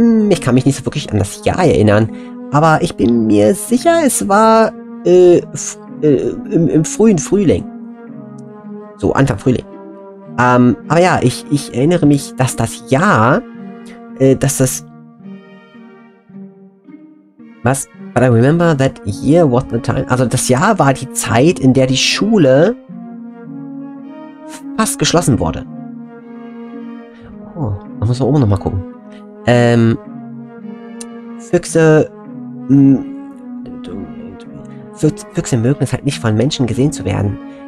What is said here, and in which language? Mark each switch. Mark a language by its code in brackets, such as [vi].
[de] Ich kann mich nicht so wirklich an das Jahr erinnern, aber ich bin mir sicher, es war im frühen Frühling. So, Anfang Frühling. Ich erinnere mich, dass das Jahr, dass das... Was? [en] But I remember that year was the time... [de] Also das Jahr war die Zeit, in der die Schule fast geschlossen wurde. Oh, da muss man oben nochmal gucken. Füchse mögen es halt nicht von Menschen gesehen zu werden.